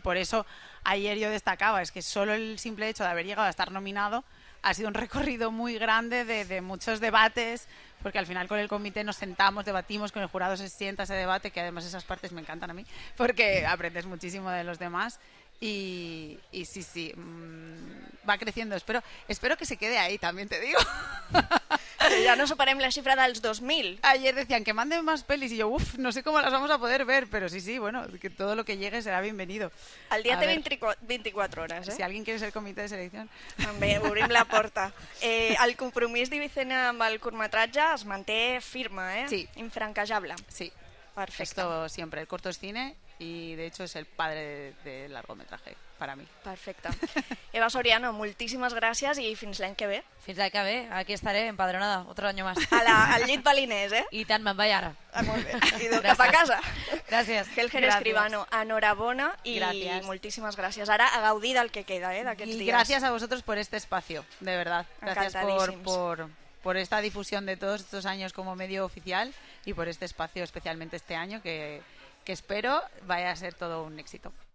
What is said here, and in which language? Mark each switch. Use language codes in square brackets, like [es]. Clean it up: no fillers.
[es] Por eso ayer yo destacaba, es que solo el simple hecho de haber llegado a estar nominado ha sido un recorrido muy grande de muchos debates, porque al final con el comité nos sentamos, debatimos, con el jurado se sienta, se debate, que además esas partes me encantan a mí, porque aprendes muchísimo de los demás. Y sí, sí, va creciendo. Espero que se quede ahí, también te digo. Ya [ca] no superem la xifra dels 2.000. [es] Ayer decían que manden más pelis y yo, uff, no sé cómo las vamos a poder ver, pero sí, sí, bueno, que todo lo que llegue será bienvenido. Al día de 24 horas, ¿eh? Si alguien quiere ser comité de selección. [ca] Bé, obrim la porta. El compromís d'Ibicena amb el curtmetratge es manté firme, ¿eh? Sí. Infranquejable. Sí. Perfecte. [es] Esto siempre, el corto es cine, y de hecho es el padre de largometraje para mí. [ca] Perfecte. Eva Soriano, moltíssimes gràcies i fins l'any que ve. Fins l'any que ve, [es] aquí estaré empadronada, otro año más. [ca] Al llit balinès, eh? I tant, me'n vaig ara. Molt bé, idò, cap a casa. Gràcies. Helger Escribano, enhorabona i moltíssimes gràcies. Ara a gaudir del que queda, d'aquests dies. I gràcies a vosaltres per [es] este espacio, de verdad. Gràcies por esta difusión de todos estos años como medio oficial y por este espacio, especialmente este año, que espero vaya a ser todo un éxito.